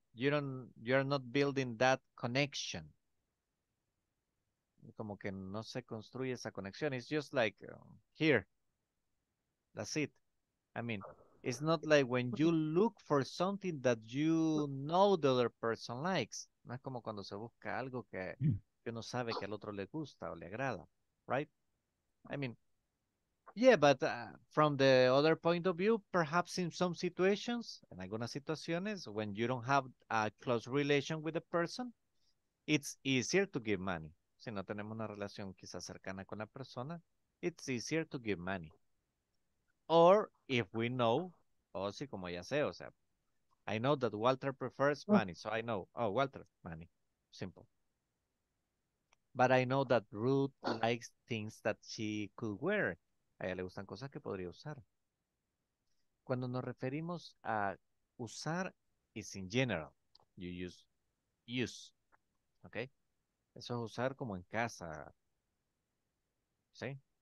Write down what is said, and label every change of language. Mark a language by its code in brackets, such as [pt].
[en] You're not building that connection. [es] Como que no se construye esa conexión. [en] It's just like here. That's it. I mean, it's not like when you look for something that you know the other person likes. [es] No es como cuando se busca algo que uno sabe que al otro le gusta o le agrada. [en] Right? I mean, Yeah, but from the other point of view, perhaps in some situations, [es] en algunas situaciones, [en] when you don't have a close relation with the person, it's easier to give money. [es] Si no tenemos una relación quizás cercana con la persona, [en] it's easier to give money. Or if we know, [es] o si como ya sé, o sea, [en] I know that Walter prefers money, so I know, oh, Walter, money, simple. But I know that Ruth likes things that she could wear. [es] A ella le gustan cosas que podría usar. Cuando nos referimos a usar, [en] it's in general. You use, use. Okay? [es] Eso es usar como en casa. ¿Sí?